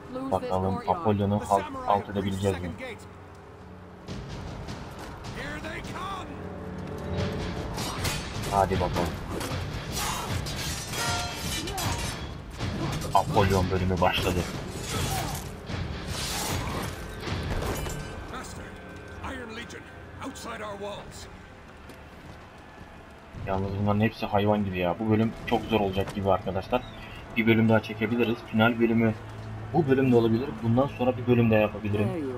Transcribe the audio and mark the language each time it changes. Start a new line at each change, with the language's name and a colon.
Turkish: Bakalım Apollon'u alt edebilecek mi? Hadi bakalım. Apollon bölümü başladı.
English: Master, Iron Legion, outside our walls.
Turkish: Yalnız bunların hepsi hayvan gibi ya. Bu bölüm çok zor olacak gibi arkadaşlar. Bir bölüm daha çekebiliriz. Final bölümü bu bölümde olabilir. Bundan sonra bir bölüm daha yapabilirim.